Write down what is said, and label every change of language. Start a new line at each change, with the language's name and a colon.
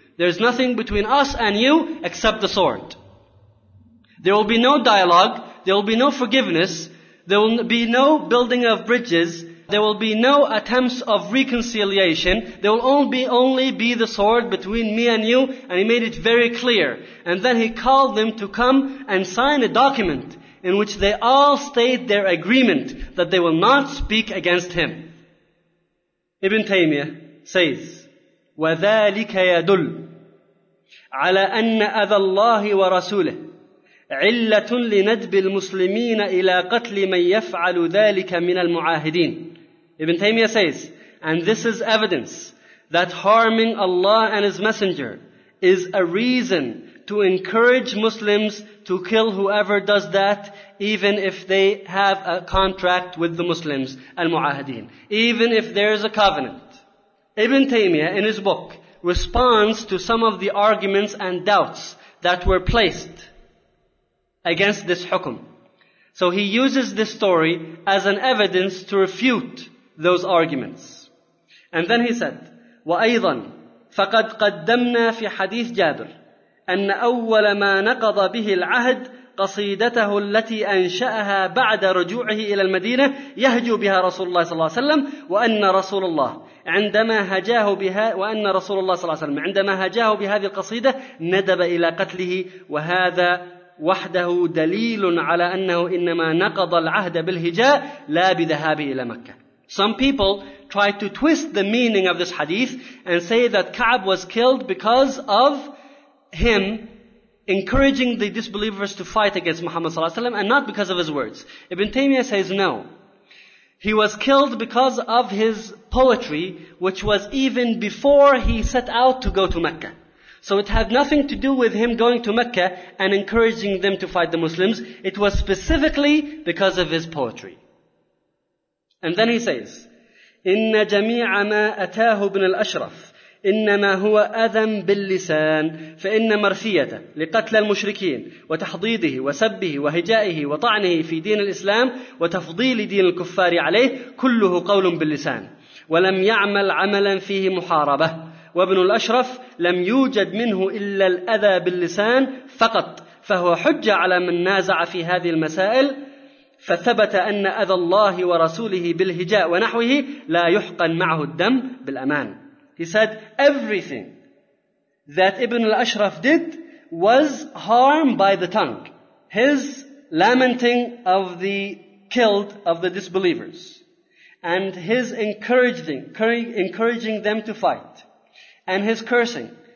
English: There's nothing between us and you except the sword. There will be no dialogue, there will be no forgiveness, there will be no building of bridges, there will be no attempts of reconciliation, there will only be the sword between me and you, and he made it very clear. And then he called them to come and sign a document in which they all state their agreement that they will not speak against him. Ibn Taymiyyah says,
Arabic: وَذَلِكَ يَدُلْ عَلَىٰ أَنَّ أَذَى اللَّهِ وَرَسُولِهِ علة لندب المسلمين إلى قتل من يفعل ذلك من المعاهدين.
English: Ibn Taymiyyah says, and this is evidence that harming Allah and His Messenger is a reason to encourage Muslims to kill whoever does that, even if they have a contract with the Muslims, المعاهدين. Even if there is a covenant. Ibn Taymiyyah, in his book, responds to some of the arguments and doubts that were placed against this hukum. So he uses this story as an evidence to refute those arguments. And then he said,
Arabic: وَأَيْضًا فَقَدْ قَدَّمْنَا فِي حَدِيثِ جَابِرٍ أَنَّ أَوَّلَ مَا نَقَضَ بِهِ الْعَهْدِ قَصِيدَتَهُ الَّتِي أَنْشَأَهَا بَعْدَ رُجُوعِهِ إِلَى الْمَدِينَةِ يَهْجُو بِهَا رَسُولُ اللَّهِ صَلَّى اللَّهُ عَلَيْهِ وَسَلَّمَ وَأَنَّ رَسُولَ اللَّهِ عندما هجاه بها وأن رسول الله صلى الله عليه وسلم عندما هجاه بهذه القصيدة ندب إلى قتله وهذا وحده دليل على أنه إنما نقض العهد بالهجاء لا بذهابه إلى مكة.
English: Some people try to twist the meaning of this hadith and say that Ka'b was killed because of him encouraging the disbelievers to fight against Muhammad صلى الله عليه وسلم and not because of his words. Ibn Taymiyyah says no. He was killed because of his poetry, which was even before he set out to go to Mecca. So it had nothing to do with him going to Mecca and encouraging them to fight the Muslims. It was specifically because of his poetry. And then he says,
Arabic: إِنَّ جَمِيعَ مَا أَتَاهُ بْنَ الْأَشْرَفِ إنما هو أذم باللسان فإن مرثيته لقتل المشركين وتحضيده وسبه وهجائه وطعنه في دين الإسلام وتفضيل دين الكفار عليه كله قول باللسان ولم يعمل عملا فيه محاربة وابن الأشرف لم يوجد منه إلا الأذى باللسان فقط فهو حجة على من نازع في هذه المسائل فثبت أن أذى الله ورسوله بالهجاء ونحوه لا يحقن معه الدم بالأمان.
English: He said, everything that Ibn al-Ashraf did was harm by the tongue. His lamenting of the killed, of the disbelievers. And his encouraging them to fight. And his cursing.